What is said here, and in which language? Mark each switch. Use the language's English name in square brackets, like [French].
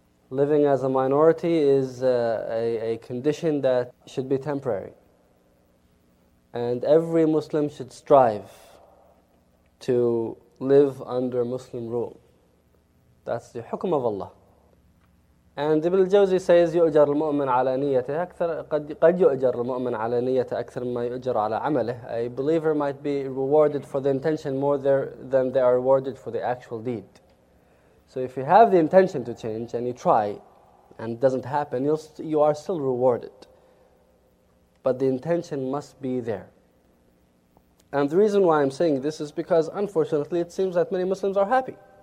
[English] Living as a minority is a condition that should be temporary. And every Muslim should strive to live under Muslim rule. That's the hukm of Allah. And Ibn al-Jawzi says, [Arabic] يُؤْجَرُ الْمُؤْمِنَ عَلَى نِيَّتِهِ أَكْثَرَ قَدْ يُؤْجَرُ الْمُؤْمِنَ عَلَى نِيَّتِهِ أَكْثَرَ مَا يُؤْجَرُ عَلَى عَمَلِهِ. [English] A believer might be rewarded for the intention more than they are rewarded for the actual deed. So if you have the intention to change and you try and it doesn't happen, you are still rewarded. But the intention must be there. And the reason why I'm saying this is because, unfortunately, it seems that many Muslims are happy.